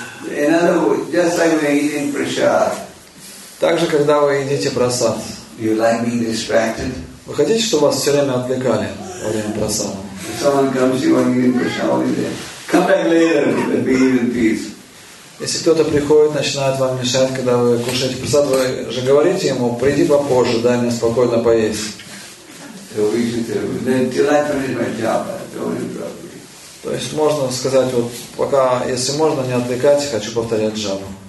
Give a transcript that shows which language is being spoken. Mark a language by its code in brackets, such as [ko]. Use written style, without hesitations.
[en] In other words, just like when you're eating prasad. [ru] Так же, когда вы едите прасад. [en] You like being distracted? [ru] Вы хотите, чтобы вас все время отвлекали во время прасада? [en] If someone comes to you when you're eating prasad, come back later and be in peace. [ru] Если кто-то приходит, начинает вам мешать, когда вы кушаете прасад, вы же говорите ему: приди попозже, дай мне спокойно поесть. То есть можно сказать, вот пока, если можно, не отвлекайте, хочу повторять джапу.